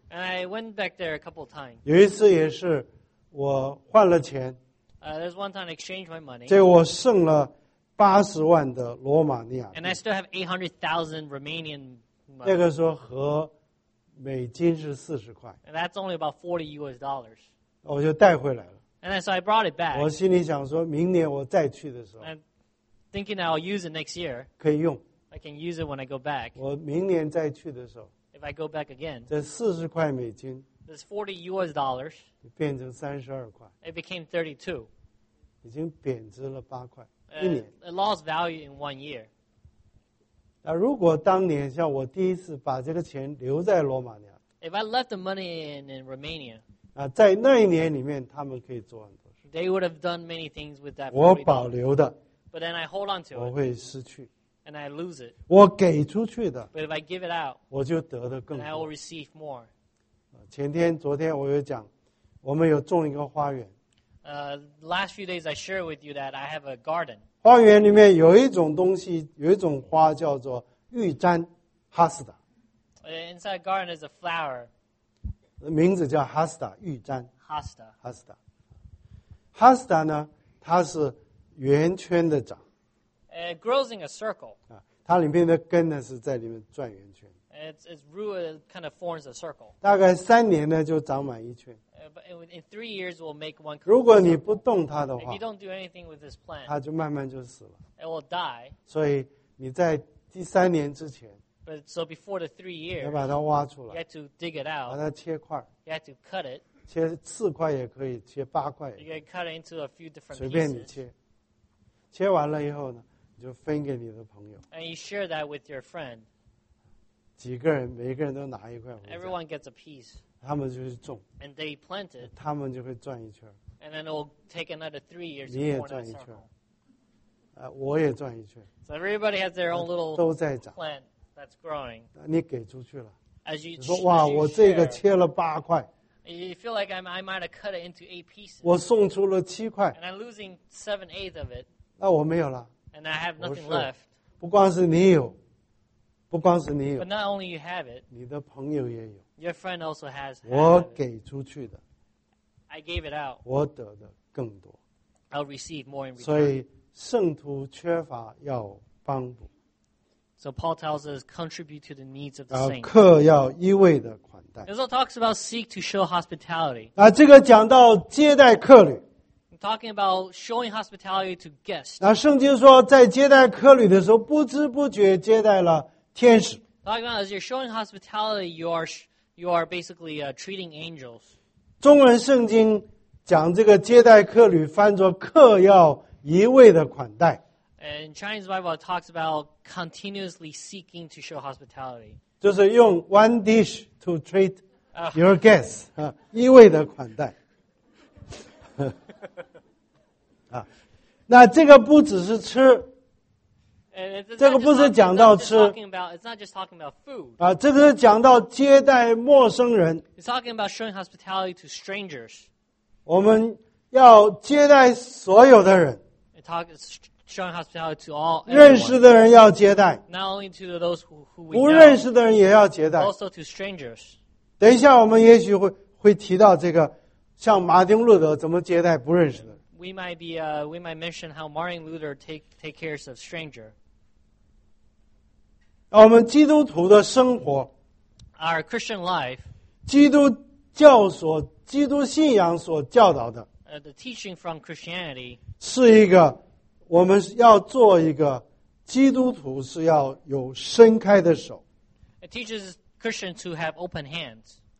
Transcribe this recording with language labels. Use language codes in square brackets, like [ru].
[en] And I went back there a couple of times. [zh] 有一次也是我换了钱。 [en] There's one time I exchanged my money. [zh] 这我剩了80万的罗马尼亚。 [en] And I still have 800,000 Romanian money. [zh] 那个时候和美金是40块。 [en] And that's only about $40. [zh] 我就带回来了。 [en] And so I brought it back. [zh] 我心里想说明年我再去的时候。 [en] Thinking I'll use it next year. [zh] 可以用。 [en] I can use it when I go back. [zh] 我明年再去的时候。 [en] If I go back again. [zh] 这40块美金。 [en] This $40. [zh] 变成32块。 [en] It became 32. [zh] 已经贬值了8块。一年。 [en] It lost value in 1 year. [zh] 那如果当年像我第一次把这个钱留在罗马尼亚。 [en] If I left the money in Romania. [zh] 在那一年里面他们可以做很多事。 [en] They would have done many things with that [zh] $40. 我保留的。 [en] But then I hold on to it. [zh] 我会失去。 [en] And I lose it. [zh] 我给出去的。 [en] But if I give it out, [zh] 我就得的更多。 [en] And I will receive more. [zh] 前天、昨天我有讲，我们有种一个花园。 [en] Last few days I shared with you that I have a garden. [zh] 花园里面有一种东西，有一种花叫做玉簪哈斯达。 [en] Inside garden is a flower. [zh] 名字叫哈斯达，玉簪。哈斯达。哈斯达。哈斯达呢，它是。圆圈的长 [en] It grows in a circle. [zh] 它里面的根呢是在里面转圆圈 [en] Its root kind of forms a circle. [zh] 大概三年呢就长满一圈 [en] But in 3 years, we'll make one. [zh] 如果你不动它的话 [en] If you don't do anything with this plant, [zh] 它就慢慢就死了 [en] It will die. [zh] 所以你在第三年之前 [en] But so before the 3 years, [zh] 要把它挖出来 [en] You have to dig it out. [zh] 把它切块 [en] You have to cut it. [zh] 切四块也可以，切八块也可以 [en] You can cut it into a few different pieces. [zh] 随便你切。切完了以后呢，你就分给你的朋友。 [en] And you share that with your friend. [zh] 几个人，每个人都拿一块回家。 [en] Everyone gets a piece. [zh] 他们就去种。 [en] And they plant it. [zh] 他们就会转一圈。 [en] And then it will take another 3 years. [zh] 你也转一圈。我也转一圈。 [en] So everybody has their own little [zh] 都在长 [en] plant that's growing. [zh] 你给出去了。 [en] As you [zh] 说哇，我这个切了八块。 [en] You feel like I might have cut it into 8 pieces. [zh] 我送出了七块。 [en] And I'm losing 7/8 of it. [zh] 那我没有了。 [en] And I have nothing left. [zh] 不光是你有，不光是你有。 [en] But not only you have it. [zh] 你的朋友也有。 [en] Your friend also has. [zh] 我给出去的。 [en] I gave it out. [zh] 我得的更多。 [en] I'll receive more in return. [zh] 所以圣徒缺乏要帮助。 [en] So Paul tells us, contribute to the needs of the saints. [zh] 客要一味的款待。 [en] It also talks about seek to show hospitality. [zh] 这个讲到接待客旅。 [en] I'm talking about showing hospitality to guests. [zh] 圣经说在接待客旅的时候不知不觉接待了天使。 [en] Talking about as you're showing hospitality, you are basically treating angels. [zh] 中文圣经讲这个接待客旅翻作客要一味的款待。 [en] And Chinese Bible talks about continuously seeking to show hospitality. [zh] 就是用 [en] one dish to treat your guests, [zh] 一味的款待。那这个不只是吃。这个不是讲到吃。 [en] It's not just talking about food. [zh] 这个是讲到接待陌生人。 [en] It's talking about showing hospitality to strangers. [zh] 我们要接待所有的人。 [en] Showing hospitality to all. [zh] 认识的人要接待。 [en] Not only to those who we know. [zh] 不认识的人也要接待。 [en] Also to strangers. [zh] 等一下我们也许会提到这个像马丁路德怎么接待不认识的人。 [en] We might mention how Martin Luther take care of stranger. [zh] 我们基督徒的生活。 [en] Our Christian life. [zh] 基督教所基督信仰所教导的。 [en] The teaching from Christianity. [zh] 是一个我们要做一个基督徒是要有伸开的手。 [en] It teaches Christians to have open hands.